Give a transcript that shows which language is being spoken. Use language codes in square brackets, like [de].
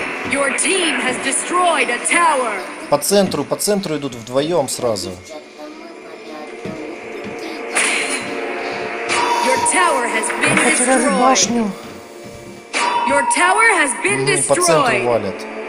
[en] Your team has destroyed a tower. [ru] По центру идут вдвоем сразу. [en] Your tower has been destroyed. [ru] Башню. [en] Your tower has been destroyed. [ru] По центру валят.